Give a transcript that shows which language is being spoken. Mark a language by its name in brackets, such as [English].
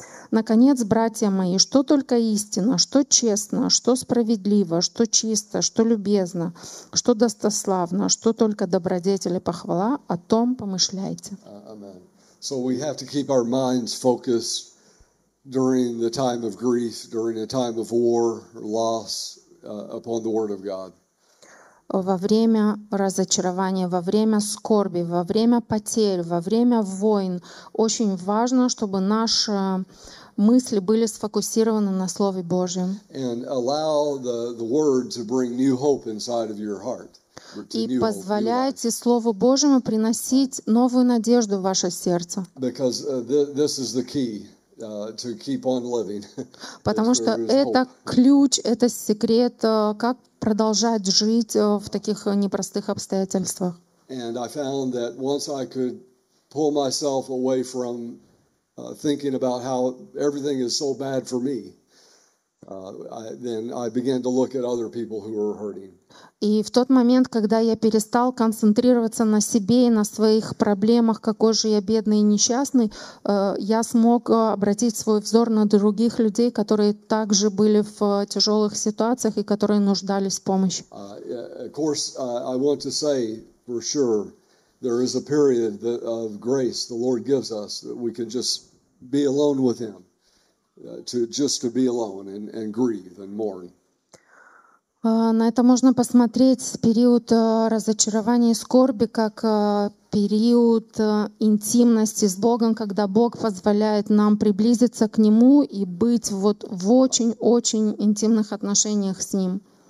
[Russian] «Наконец, братья мои, что только истинно, что честно, что справедливо, что чисто, что любезно, что достославно, что только добродетель и похвала, о том помышляйте». Аминь. [English] So we have to keep our minds focused during the time of grief, during a time of war or loss, upon the Word of God. [Russian] Во время разочарования, во время скорби, во время потерь, во время войн очень важно, чтобы наши мысли были сфокусированы на Слове Божьем. [English] And allow the Word to bring new hope inside of your heart. [Russian] И позволяйте Слову Божьему приносить новую надежду в ваше сердце. [English] Because this is the key to keep on living. [Russian] Потому что это ключ, это секрет, как продолжать жить в таких непростых обстоятельствах. [English] And I found that once I could pull myself away from thinking about how everything is so bad for me, then I began to look at other people who were hurting. [Russian] И в тот момент, когда я перестал концентрироваться на себе и на своих проблемах, какой же я бедный и несчастный, я смог обратить свой взор на других людей, которые также были в тяжелых ситуациях и которые нуждались в помощи. [English] Of course, I want to say for sure, there is a period of grace the Lord gives us that we can just be alone with Him, to be alone and grieve and mourn. [Russian] На это можно посмотреть с период разочарования и скорби, как период интимности с Богом, когда Бог позволяет нам приблизиться к Нему и быть вот в очень-очень интимных отношениях с Ним.